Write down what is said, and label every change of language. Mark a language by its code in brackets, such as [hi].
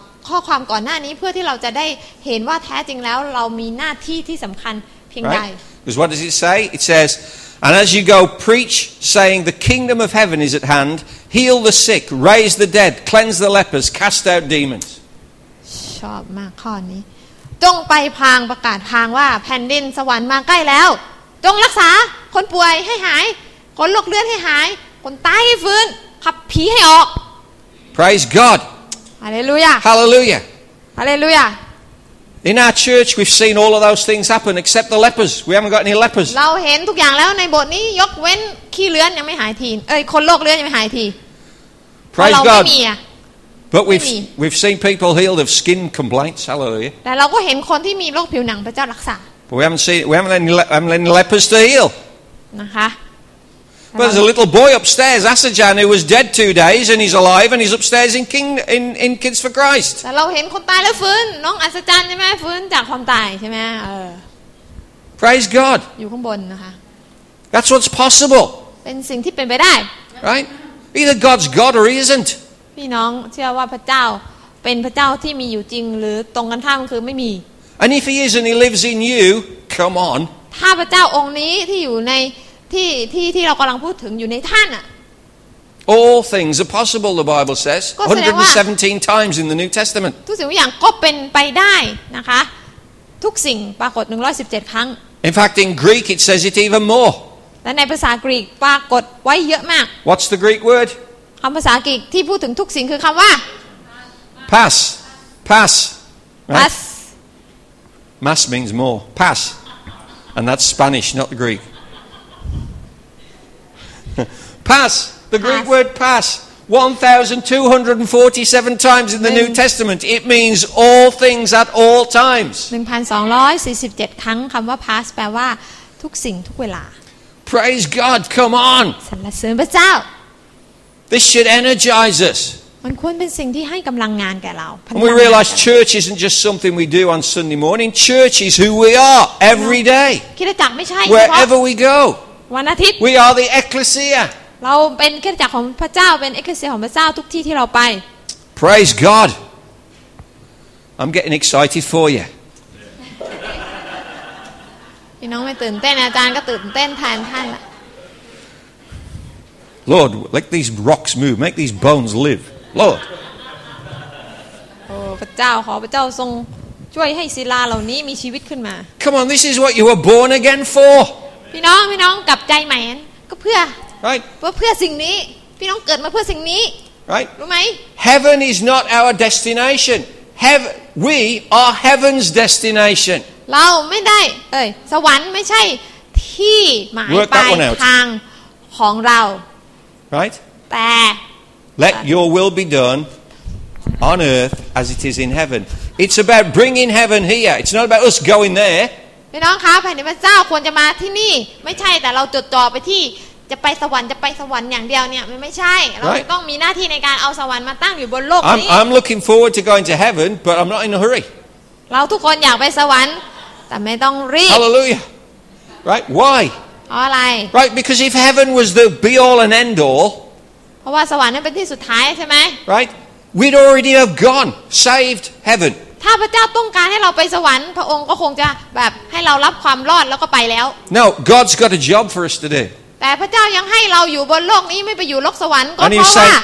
[th] ข้อความก่อนหน้านี้เพื่อที่เราจะได้เห็นว่าแท้จริงแล้วเรามีหน้าที่ที่สำคัญเพียงใด [en] Because what does it say? It says, and as you go preach, saying the kingdom of heaven is at hand, heal the sick, raise the dead, cleanse the lepers, cast out demons. [th] ชอบมากข้อนี้จงไปพางประกาศพางว่าแผ่นดินสวรรค์มาใกล้แล้วจงรักษาคนป่วยให้หายคนโรคเลือดให้หายคนตายให้ฟื้นขับผีให้ออก [en] Praise God Hallelujah Hallelujah Hallelujah In our church we've seen all of those things happen except the lepers we haven't got any lepers [th] เราเห็นทุกอย่างแล้วในบทนี้ยกเว้นขี้เลื้อนยังไม่หายทีเอ้ยคนโรคเลือดยังไม่หายที [en] Praise God But we've seen people healed of skin complaints Hallelujah [th] แต่เราก็เห็นคนที่มีโรคผิวหนังพระเจ้ารักษา [en] But we haven't let any lepers to heal. But there's a little boy upstairs, Asajan, who was dead 2 days, and he's alive, and he's upstairs in Kids for Christ. [th] แต่เราเห็นคนตายแล้วฟื้นน้องอัศจรรย์ใช่ไหมฟื้นจากความตายใช่ไหม [en] Praise God. [th] อยู่ข้างบนนะคะ [en] That's what's possible. [th] เป็นสิ่งที่เป็นไปได้ [en] Right? Either God's God or He isn't. [th] พี่น้องเชื่อว่าพระเจ้าเป็นพระเจ้าที่มีอยู่จริงหรือตรงกันข้ามคือไม่มี [en] And if he is and he lives in you, come on. [th] ถ้าพระเจ้าองค์นี้ที่อยู่ในที่เรากำลังพูดถึงอยู่ในท่านอ่ะ [en] All things are possible, the Bible says. 117 times in the New Testament. [th] ทุกสิ่งทุกอย่างก็เป็นไปได้นะคะทุกสิ่งปรากฏ117ครั้ง [en] In fact, in Greek, it says it even more. [th] และในภาษากรีกปรากฏไว้เยอะมาก [en] What's the Greek word? [th] คำภาษากรีกที่พูดถึงทุกสิ่งคือคำว่า [en] Pass. Pass. Right? Pass. Mass means more. Pass. And that's Spanish, not the Greek. pass. The Greek word pass. 1,247 times in the New Testament. It means all things at all times. [th] 1,247 ครั้งคำว่า pass แปลว่าทุกสิ่งทุกเวลา [en] Praise God. Come on. [th] สรรเสริญพระเจ้า [en] This should energize us. [th] มันควรเป็นสิ่งที่ให้กำลังงานแก่เรา [en] And we realize church isn't just something we do on Sunday morning. Church is who we are every day. [th] คิดจักไม่ใช่ [en] Wherever we go. [th] วันอาทิตย์ [en] We are the ecclesia. [th] เราเป็นคิดจักของพระเจ้าเป็นเอกเสียของพระเจ้าทุกที่ที่เราไป [en] Praise God. I'm getting excited for you. [th] พี่น้องไม่ตื่นเต้นอาจารย์ก็ตื่นเต้นแทนท่านละ [en] Lord, let these rocks move. Make these bones live. Lord. [th] Oh, พระเจ้าขอพระเจ้าทรงช่วยให้ศิลาเหล่านี้มีชีวิตขึ้นมา [en] Come on, this is what you were born again for. [th] พี่น้องพี่น้องกลับใจใหม่ก็เพื่อ [en] Right. [th] เพื่อสิ่งนี้พี่น้องเกิดมาเพื่อสิ่งนี้ [en] Right. [th] รู้ไหม [en] Heaven is not our destination. We are heaven's destination. [th] เราไม่ได้เอ้ยสวรรค์ไม่ใช่ที่หมายปลายทางของเรา [en] Right? But, Let your will be done on earth as it is in heaven. It's about bringing heaven here. It's not about us going there. [th] พี่น้องคะแผ่นดินพระเจ้าควรจะมาที่นี่ไม่ใช่แต่เราจดจ่อไปที่จะไปสวรรค์จะไปสวรรค์อย่างเดียวเนี่ยมันไม่ใช่เราต้องมีหน้าที่ในการเอาสวรรค์มาตั้งอยู่บนโลกนี้ [en] I'm looking forward to going to heaven, but I'm not in a hurry. [th] เราทุกคนอยากไปสวรรค์แต่ไม่ต้องรีบ [en] Hallelujah. Right? Why? Right, because if heaven was the be-all and end-all, [th] เพราะว่าสวรรค์เป็นที่สุดท้ายใช่ไหม [en] Right, we'd already have gone, saved heaven. [th] ถ้าพระเจ้าต้องการให้เราไปสวรรค์พระองค์ก็คงจะแบบให้เรารับความรอดแล้วก็ไปแล้ว [en] No, God's got a job for us today. [th] แต่พระเจ้ายังให้เราอยู่บนโลกนี้ไม่ไปอยู่โลกสวรรค์ก็เพราะว่า